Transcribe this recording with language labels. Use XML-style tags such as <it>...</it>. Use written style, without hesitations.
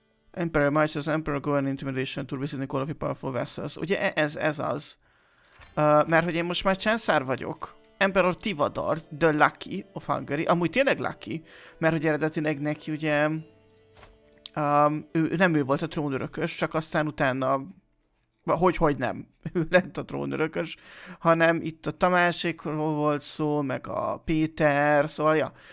<en>Emperor March az Emperor Going Intimidation Tour, visiting all of your powerful vessels.</en> <hu>Ugye ez az. Mert hogy én most már császár vagyok.</hu> <en>Emperor Tivadar, the lucky of Hungary.</en> <hu>Amúgy tényleg lucky, mert hogy eredetileg neki ugye... Ő volt a trónörökös, csak aztán utána, hogy nem, ő lett a trónörökös, hanem itt a Tamásékról volt szó, meg a Péter, szóval, ja.</hu>